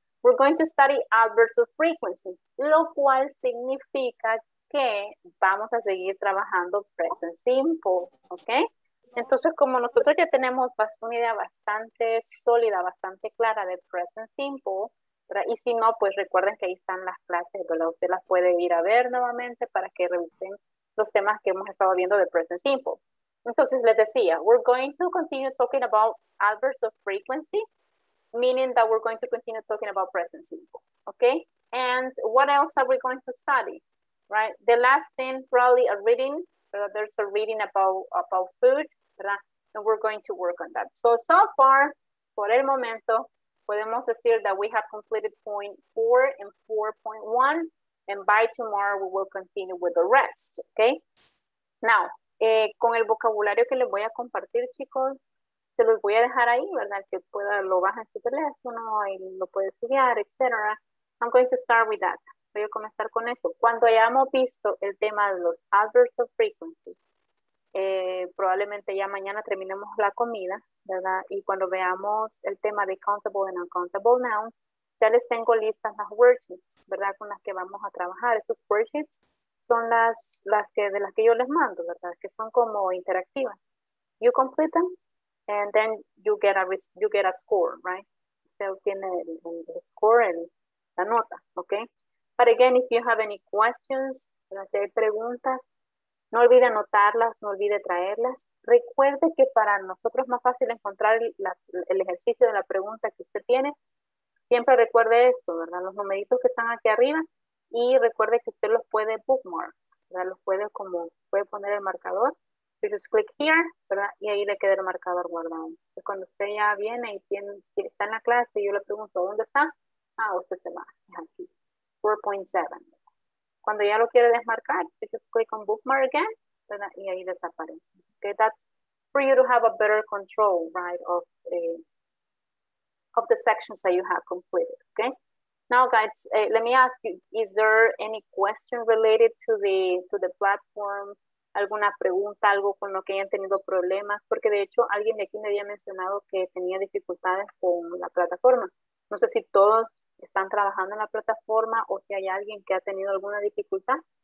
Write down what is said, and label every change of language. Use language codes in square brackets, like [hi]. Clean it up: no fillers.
[en] We're going to study adverbs of frequency, [es] lo cual significa que vamos a seguir trabajando [en] present simple, okay? [es] Entonces, como nosotros ya tenemos una idea bastante sólida, bastante clara de present simple, ¿verdad? Y si no, pues recuerden que ahí están las clases, ¿verdad? Usted las puede ir a ver nuevamente para que revisen los temas que hemos estado viendo de present simple. Entonces, les decía, [en] we're going to continue talking about adverbs of frequency, meaning that we're going to continue talking about present simple, okay? And what else are we going to study, right? The last thing, probably a reading. There's a reading about food, [es] ¿verdad? [en] And we're going to work on that. So far, [es] por el momento, [en] podemos decir that we have completed point 4 and 4.1, and by tomorrow, we will continue with the rest, okay? [es] Now, con el vocabulario que les voy a compartir, chicos, se los voy a dejar ahí, ¿verdad? Que pueda, lo bajan su teléfono y lo puede estudiar, etc. [en] I'm going to start with that. [es] Voy a comenzar con eso. Cuando hayamos visto el tema de los adverbs of frequency, probablemente ya mañana terminemos la comida, ¿verdad? Y cuando veamos el tema de countable and uncountable nouns, ya les tengo listas las worksheets, ¿verdad? Con las que vamos a trabajar. Esas worksheets son las que yo les mando, ¿verdad? Que son como interactivas. [en] You complete them and then you get a score, right? [es] Usted obtiene el score, la nota, ¿ok? [en] But again, if you have any questions, [es] si hay preguntas, no olvide anotarlas, no olvide traerlas. Recuerde que para nosotros es más fácil encontrar el ejercicio de la pregunta que usted tiene. Siempre recuerde esto, ¿verdad? Los numeritos que están aquí arriba. Y recuerde que usted los puede bookmark, ¿verdad? Los puede como, puede poner el marcador. [en] You just click here, [es] ¿verdad? Y ahí le queda el marcador guardado. Entonces, cuando usted ya viene y tiene, está en la clase, yo le pregunto, ¿dónde está? Ah, usted se va, es aquí. 4.7. Cuando ya lo quiere desmarcar, [en] just click on bookmark again, [es] ¿verdad? Y ahí desaparece. [en] Okay, that's for you to have a better control, right, of the sections that you have completed. Okay. Now, guys, let me ask you: is there any question related to the platform? [es] ¿Alguna pregunta, algo con lo que hayan tenido problemas? Porque de hecho, alguien de aquí me había mencionado que tenía dificultades con la plataforma. No sé si todos están trabajando en la plataforma o si hay alguien que ha tenido alguna dificultad.